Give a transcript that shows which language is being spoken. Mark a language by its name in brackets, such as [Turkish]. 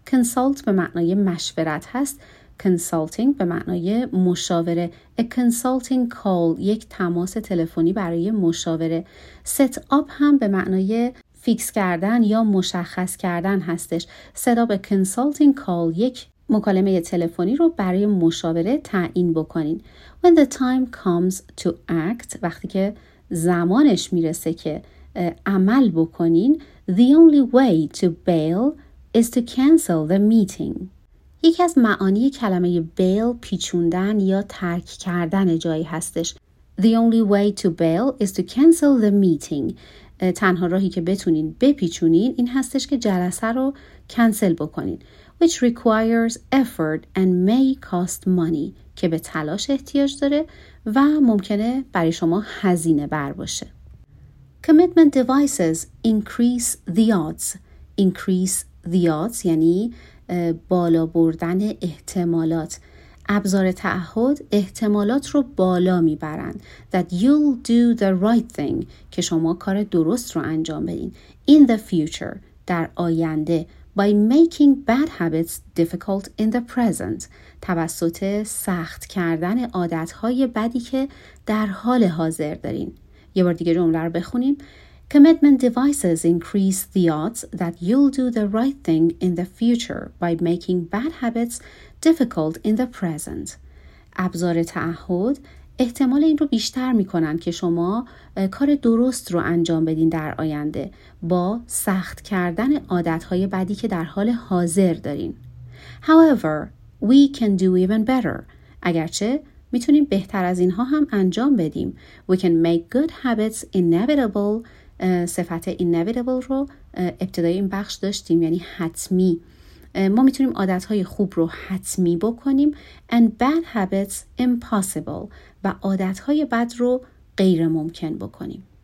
[Persian] consult به معنای مشورت هست، consulting به معنای مشاوره. [English] a consulting call، [Persian] یک تماس تلفنی برای مشاوره. set up هم به معنای فیکس کردن یا مشخص کردن هستش. [English] set up a consulting call، [Persian] یک مکالمه تلفنی رو برای مشاوره تعیین بکنین. [English] when the time comes to act، [Persian] وقتی که زمانش میرسه که عمل بکنین، [English] the only way to bail is to cancel the meeting. [Persian] یکی از معانی کلمه bail پیچوندن یا ترک کردن جایی هستش. [English] the only way to bail is to cancel the meeting. [Persian] تنها راهی که بتونین بپیچونین این هستش که جلسه رو کنسل بکنین. [English] which requires effort and may cost money، [Persian] که به تلاش احتیاج داره و ممکنه برای شما هزینه بر باشه. [English] commitment devices increase the odds. [Persian] increase the odds یعنی بالا بردن احتمالات. ابزار تعهد احتمالات رو بالا میبرن. [English] that you'll do the right thing، [Persian] که شما کار درست رو انجام بدین. [English] in the future، [Persian] در آینده. [English] by making bad habits difficult in the present، [Persian] توسط سخت کردن عادتهای بدی که در حال حاضر دارین. یه بار دیگه جمله رو بخونیم. [English] commitment devices increase the odds that you'll do the right thing in the future by making bad habits difficult in the present. [Persian] ابزار تعهد احتمال این رو بیشتر میکنن که شما کار درست رو انجام بدین در آینده با سخت کردن عادتهای بدی که در حال حاضر دارین. [English] However, we can do even better. [Persian] اگرچه میتونیم بهتر از اینها هم انجام بدیم. [English] We can make good habits inevitable. [Persian] صفت inevitable رو ابتدای این بخش داشتیم، یعنی حتمی. ما میتونیم عادتهای خوب رو حتمی بکنیم. [English] and bad habits impossible، [Persian] و عادتهای بد رو غیر ممکن بکنیم.